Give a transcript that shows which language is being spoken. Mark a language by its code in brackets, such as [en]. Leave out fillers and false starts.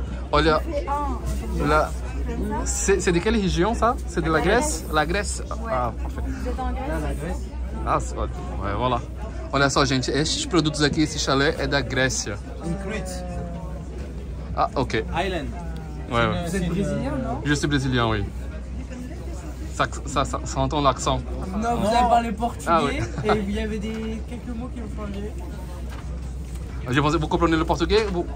[pt] Olha. La... [fr] C'est de quelle région ça? C'est de la Grèce? La Grèce? Ah, parfait. Vous êtes en Grèce? Ah, voilà. [pt] Olha só, gente. Estes produtos aqui, esse chalé é da Grécia. [en] In Crete. Ah, ok. Island. [fr] Ouais. Vous êtes brésilien, non? Je suis brésilien, oui. Ça entend l'accent. Non, vous avez parlé portugais, ah, oui. Et il y avait quelques mots qui vous parlaient. Je pensais, vous comprenez le portugais ou...